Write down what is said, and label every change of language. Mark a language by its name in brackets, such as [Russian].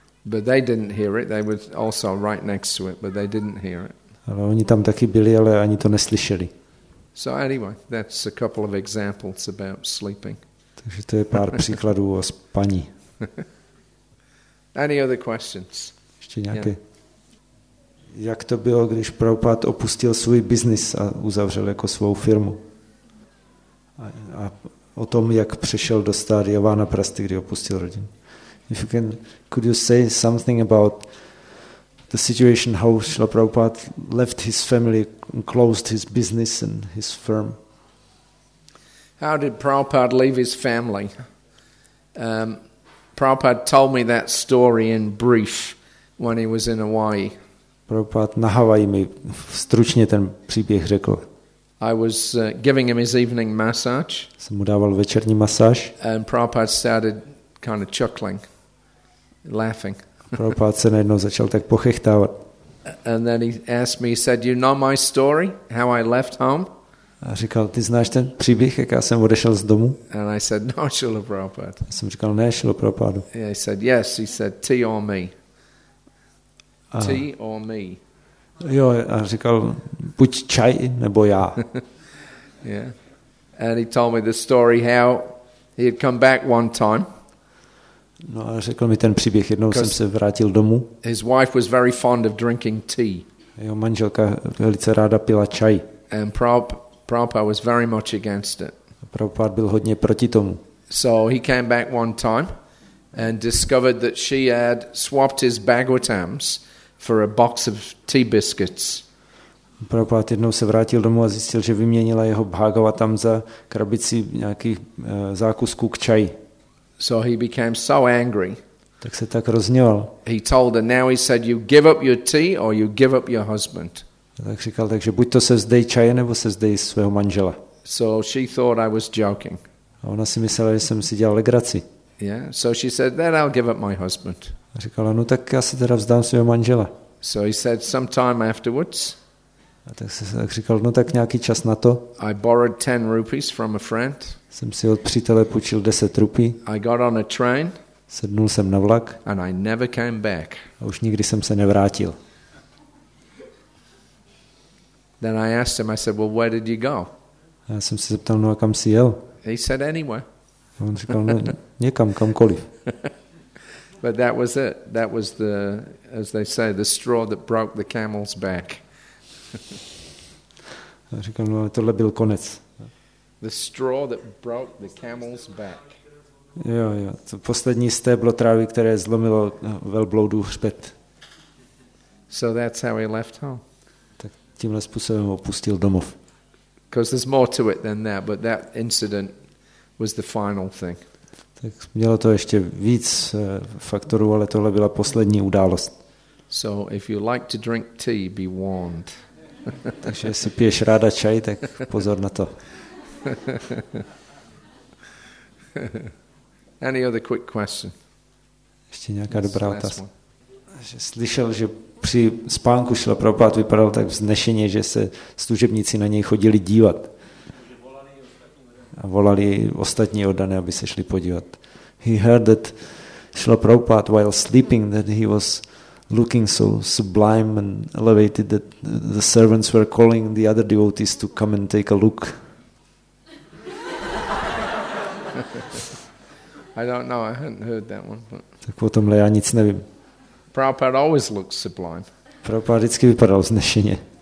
[English] But they didn't hear it. They were also right next to it, but they didn't hear it. [Czech] Ale oni tam taky byli, ale ani to neslyšeli. [English] So anyway, that's a couple of examples about sleeping. [Czech] Takže to je pár příkladů o spaní. [English] Any other questions? [Czech] Ještě nějaké? Yeah. Jak to bylo, když Prabhupád opustil svůj biznis a uzavřel jako svou firmu? A o tom, jak přešel do stádia Vanaprasthy, kdy opustil rodinu. [English] If you can, could you say something about the situation how Srila Prabhupada left his family and closed his business and his firm? How did Prabhupada leave his family? Prabhupada told me that story in brief when he was in Hawaii. [Czech] Prabhupada na Hawaii mi stručně ten příběh řekl. [English] I was giving him his evening massage. [Czech] Jsem mu dával večerní masáž. [English] And Prabhupada started kind of chuckling, laughing. [Czech] Prabhupada se najednou začal tak pochechtávat. [English] And then he asked me, he said, you know my story, how I left home? [Czech] A říkal, ty znáš ten příběh, jak já jsem odešel z domu? [English] And I said, no, Srila Prabhupada. [Czech] Já jsem říkal, ne, Srila Prabhupada. [English] He said, yes, he said, tea or me? Tea or me? [Czech] Jo, a říkal, buď čaj, nebo já. [English] Yeah. And he told me the story how he had come back one time. [Czech] No a řekl mi ten příběh, jednou jsem se vrátil domů. [English] His wife was very fond of drinking tea. [Czech] Jeho manželka velice ráda pila čaj. [English] And Prabhupada was very much against it. [Czech] Prabhupada byl hodně proti tomu. [English] So he came back one time and discovered that she had swapped his Bhagavatams for a box of tea biscuits. [Czech] Prabhupada jednou se vrátil domů a zjistil, že vyměnila jeho Bhagavatam za krabici nějakých zákusků k čaji. [English] So he became so angry. [Czech] Tak se tak rozněval. [English] He told her, now he said, you give up your tea or you give up your husband. [Czech] Tak říkal, takže buď to se vzdej čaje, nebo se vzdej svého manžela. [English] So she thought I was joking. [Czech] A ona si myslela, že jsem si dělal legraci. [English] Yeah, so she said, then I'll give up my husband. [Czech] A říkala, no tak já se teda vzdám svého manžela. [English] So he said, sometime afterwards. [Czech] A tak se tak říkal, no tak nějaký čas na to. [English] I borrowed 10 rupees from a friend. [Czech] Jsem si od přítele půjčil 10 rupií. [English] I got on a train. [Czech] Sednul jsem na vlak. [English] And I never came back. [Czech] A už nikdy jsem se nevrátil. [English] Then I asked him, I said, well, where did you go? [Czech] A já jsem se zeptal, no a kam jsi jel? [English] He said, anywhere. [Czech] A on říkal, no, někam, kamkoliv. [English] But that was it. That was the, as they say, the straw that broke the camel's back. [Czech] A říkal, no, tohle byl konec. [English] The straw that broke the camel's back. [Czech] Jo, jo, to poslední stéblo trávy, které zlomilo velbloudu hřbet. [English] So that's how he left home. [Czech] Tak tímhle způsobem opustil domov. [English] Because there's more to it than that, but that incident was the final thing. [Czech] Tak mělo to ještě víc faktorů, ale tohle byla poslední událost. [English] So if you like to drink tea, be warned. [Czech] Takže jestli piješ ráda čaj, tak pozor na to. [English] Any other quick question? [Czech] Ještě nějaká dobrá otázka. Že slyšel, že při spánku Srila Prabhupada vypadal tak vznešeně, že se služebníci na něj chodili dívat. A volali ostatní oddané, aby se šli podívat. [English] He heard that Srila Prabhupada, while sleeping, that he was looking so sublime and elevated that the servants were calling the other devotees to come and take a look. I don't know, I hadn't heard that one. But [Czech] tak o tomhle já nic nevím. [English] Prabhupada always looks sublime. [Czech] Prabhupada vždycky vypadal vznešeně.